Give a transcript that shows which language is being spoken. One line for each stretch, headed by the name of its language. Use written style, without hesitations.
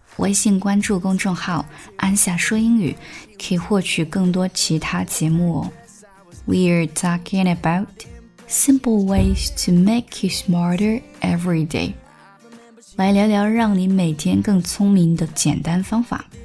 Chinese: 微信关注公众号安夏说英语，可以获取更多其他节目哦。
English: We're talking about simple ways to make you smarter every day.
Chinese: 来聊聊让你每天更聪明的简单方法。